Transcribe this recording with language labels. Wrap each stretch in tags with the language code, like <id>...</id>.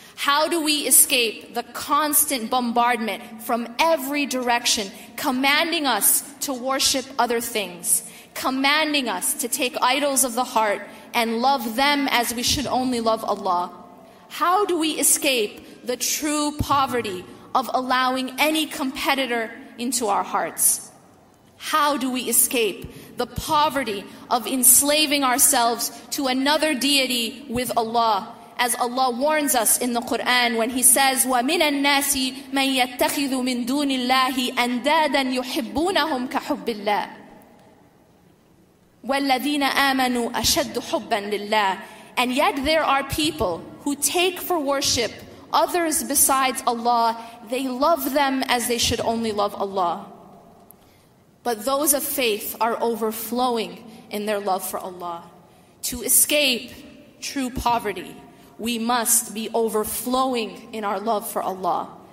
<en>How do we escape the constant bombardment from every direction, commanding us to worship other things, commanding us to take idols of the heart and love them as we should only love Allah? How do we escape the true poverty of allowing any competitor into our hearts? How do we escape the poverty of enslaving ourselves to another deity with Allah?</en> <ar>As Allah warns us in the Quran when he says, وَمِنَ النَّاسِ مَنْ يَتَّخِذُ مِنْ دُونِ اللَّهِ أَنْدَادًا يُحِبُّونَهُمْ كَحُبِّ اللَّهِ وَالَّذِينَ آمَنُوا أَشَدُّ حُبًّا لِلَّهِ.</ar> <en>And yet there are people who take for worship others besides Allah, they love them as they should only love Allah. But those of faith are overflowing in their love for Allah. To escape true poverty, we must be overflowing in our love for Allah.</en>